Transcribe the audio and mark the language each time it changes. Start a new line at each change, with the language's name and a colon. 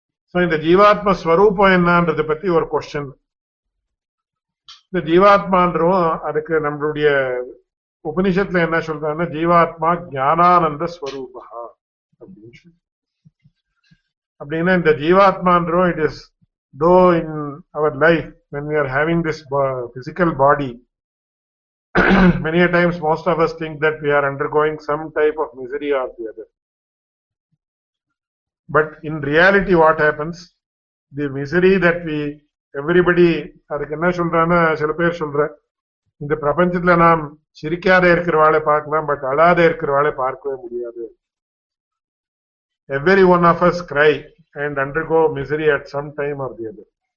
Tamil: So இந்த ஜீவாத்ம ஸ்வரூபம் என்னன்றதை பத்தி ஒரு க்வெஸ்சன். இந்த ஜீவாத்மான்றவும் அதுக்கு நம்மளுடைய உபனிஷத்துல என்ன சொல்றாங்கன்னா, ஜீவாத்மா ஞானானந்த ஸ்வரூபா அப்படின்னு சொல்லி அப்படின்னா, இந்த ஜீவாத்மான்றவும்
English: It is though in our life when we are having this physical body. Many a times most of us think that we are undergoing some type of misery or the other. But in reality what happens? The misery that we, everybody,
Tamil: அதுக்கு என்ன சொல்றான்னு சில பேர் சொல்ற, இந்த பிரபஞ்சத்துல நாம் சிரிக்காத இருக்கிற வாழை பார்க்கலாம் பட் அழாத இருக்கிற வாழை பார்க்கவே முடியாது.
English: Every one of us cry and undergo misery at some time or the other.